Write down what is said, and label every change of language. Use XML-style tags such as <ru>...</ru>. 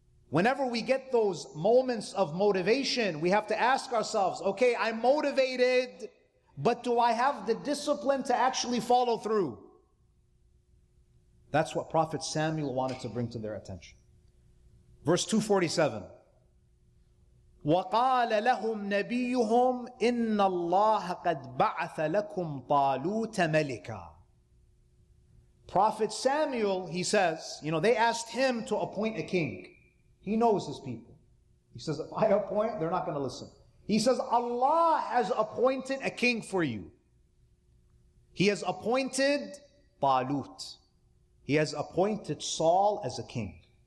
<en>Whenever we get those moments of motivation, we have to ask ourselves, okay, I'm motivated, but do I have the discipline to actually follow through? That's what Prophet Samuel wanted to bring to their attention. Verse 247.</en> <ar>وقال لهم نبيهم إن الله قد بعث لكم طالوت ملكا.</ar> <en>Prophet Samuel, he says, you know, they asked him to appoint a king. He knows his people. He says, if I appoint, they're not going to listen. He says, Allah has appointed a king for you. He has appointed Talut. He has appointed Saul as a king.</en>